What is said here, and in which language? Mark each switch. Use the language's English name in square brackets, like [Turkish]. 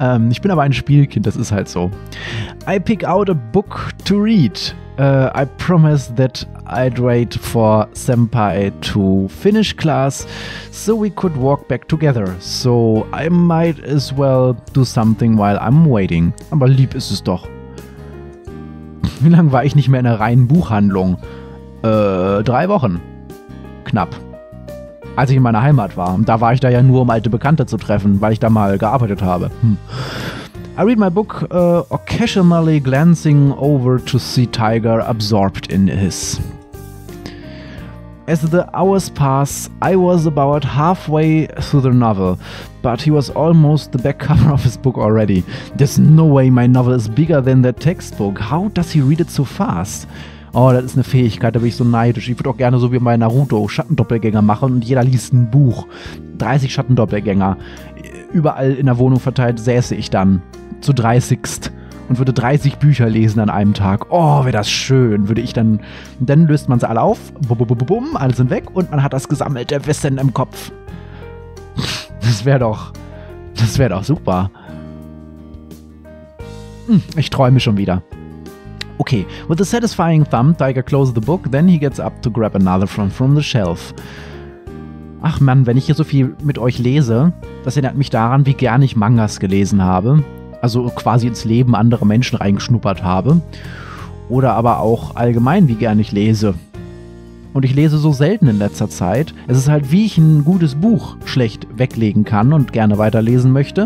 [German] Ich bin aber ein Spielkind, das ist halt so. [English] I pick out a book to read. I promise that I'd wait for Senpai to finish class so we could walk back together. So I might as well do something while I'm waiting. [German] Aber lieb ist es doch. Wie lange war ich nicht mehr in einer reinen Buchhandlung? 3 Wochen. Knapp. Als ich in meiner Heimat war. Da war ich da ja nur, um alte Bekannte zu treffen, weil ich da mal gearbeitet habe. [English] I read my book, occasionally glancing over to see Tiger absorbed in his. As the hours pass, I was about halfway through the novel, but he was almost the back cover of his book already. There's no way my novel is bigger than that textbook. How does he read it so fast? [German] Oh, das ist eine Fähigkeit, da bin ich so neidisch. Ich würde auch gerne so wie bei Naruto Schattendoppelgänger machen und jeder liest ein Buch. 30 Schattendoppelgänger. Überall in der Wohnung verteilt säße ich dann. Zu 30st. Und würde 30 Bücher lesen an einem Tag. Oh, wäre das schön, würde ich dann. Dann löst man sie alle auf. Bum, alle sind weg und man hat das gesammelte Wissen im Kopf. Das wäre doch super. Ich träume schon wieder. [English] Okay, with a satisfying thumb, Tiger closes the book, then he gets up to grab another from the shelf. [German] Ach man, wenn ich hier so viel mit euch lese, das erinnert mich daran, wie gern ich Mangas gelesen habe. Also quasi ins Leben anderer Menschen reingeschnuppert habe. Oder aber auch allgemein, wie gern ich lese. Und ich lese so selten in letzter Zeit. Es ist halt, wie ich ein gutes Buch schlecht weglegen kann und gerne weiterlesen möchte.